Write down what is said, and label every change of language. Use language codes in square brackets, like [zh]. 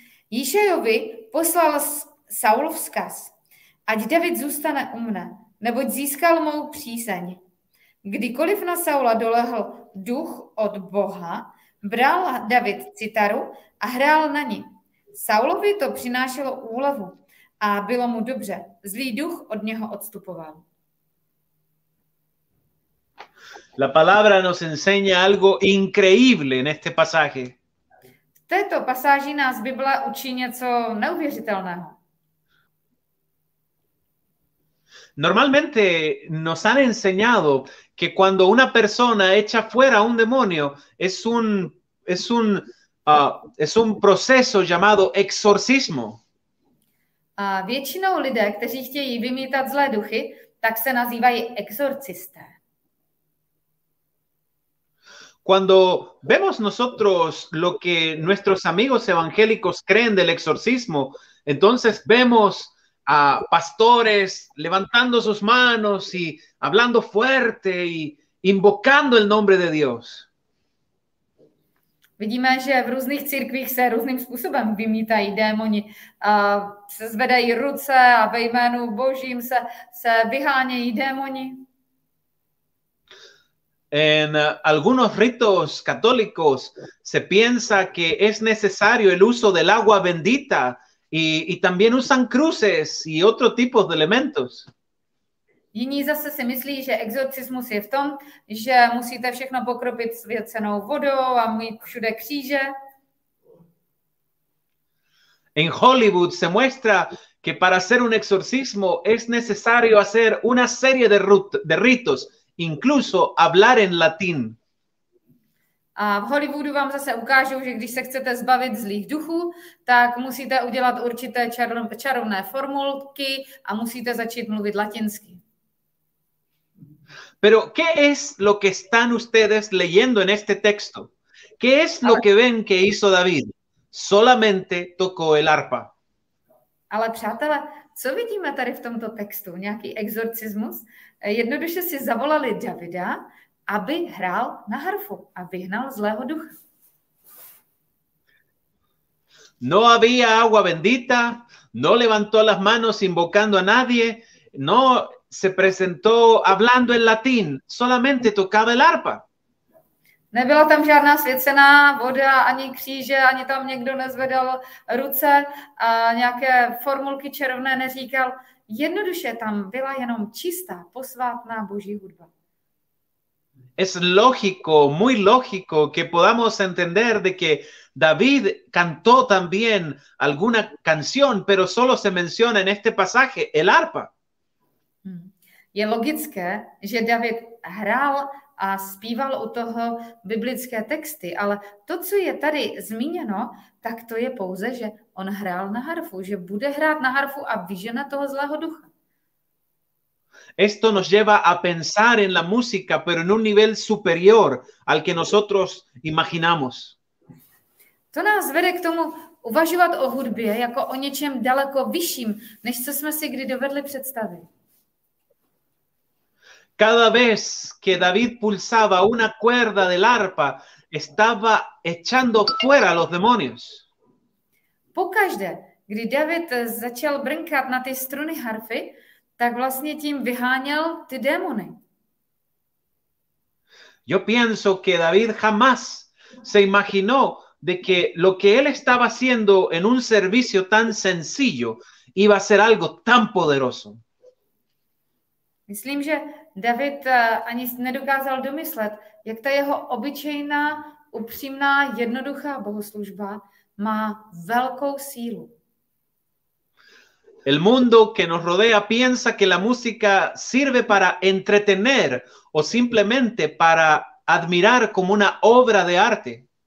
[cs] Jíšejovi poslal Saul vzkaz, ať David zůstane u mne, neboť získal mou přízeň. Kdykoliv na Saula dolehl duch od Boha, bral David citaru a hrál na ní. Saulovi to přinášelo úlevu a bylo mu dobře. Zlý duch od něho odstupoval. [es] La palabra nos enseña algo increíble en este pasaje. [cs] V této pasáži nás Bible učí něco neuvěřitelného. [es] Normalmente nos han enseñado que cuando una persona echa fuera a un demonio es un proceso llamado exorcismo. [cs] A většinou lidé, kteří chtějí vymítat zlé duchy, tak se nazývají exorcisté. [es] Cuando vemos nosotros lo que nuestros amigos evangélicos creen del exorcismo, entonces vemos a pastores levantando sus manos y hablando fuerte y invocando el nombre de Dios. [cs] Vidíme, že v různých církvích se různým způsobem vymítají démoni, se zvedají ruce a ve jménu Božím se vyhánějí démoni. [es] En algunos ritos católicos se piensa que es necesario el uso del agua bendita. Y también usan cruces y otro tipo de elementos. [cs] Jiní zase si myslí, že exorcismus je v tom, že musíte všechno pokropit svěcenou vodou a mít všude kříže. [es] En Hollywood se muestra que para hacer un exorcismo es necesario hacer una serie de ritos, incluso hablar en latín. [cs] A v Hollywoodu vám zase ukážou, že když se chcete zbavit zlých duchů, tak musíte udělat určité čarovné formulky a musíte začít mluvit latinsky. [es] Pero qué es lo que están ustedes leyendo en este texto? ¿Qué es lo que ven que hizo David? Solamente tocó el arpa. [cs] Ale přátelé, co vidíme tady v tomto textu? Nějaký exorcismus? Jednoduše si zavolali Davida, aby hrál na harfu a vyhnal zlého ducha. [es] No había agua bendita, no levantó las manos invocando a nadie, no se presentó hablando en latín, solamente tocaba el arpa. [cs] Nebyla tam žádná svěcená voda, ani kříže, ani tam někdo nezvedal ruce a nějaké formulky červné neříkal. Jednoduše tam byla jenom čistá, posvátná boží hudba. [es] Es lógico, muy lógico que podamos entender de que David cantó también alguna canción, pero solo se menciona en este pasaje el arpa. [cs] Je logické, že David hrál a zpíval u toho biblické texty, ale to, co je tady zmíněno, tak to je pouze, že on hrál na harfu, že bude hrát na harfu a vyžene toho zlého ducha. [es] Esto nos lleva a pensar en la música, pero en un nivel superior al que nosotros imaginamos. [cs] To nás vede k tomu uvažovat o hudbě jako o něčem daleko vyšším, než co jsme si kdy dovedli představit. [es] Cada vez que David pulsaba una cuerda del arpa, estaba echando fuera los demonios. [cs] Pokaždé, kdy David začal brnkat na ty struny harfy, tak vlastně tím vyháněl ty démony. [es] Yo pienso que David jamás se imaginó de que lo que él estaba haciendo en un servicio tan sencillo iba a ser algo tan poderoso. [cs] Myslím, že David ani nedokázal domyslet, jak ta jeho obyčejná, upřímná, jednoduchá bohoslužba má velkou sílu. [es] El mundo que nos rodea piensa que la música sirve para entretener o simplemente para admirar como una obra de arte.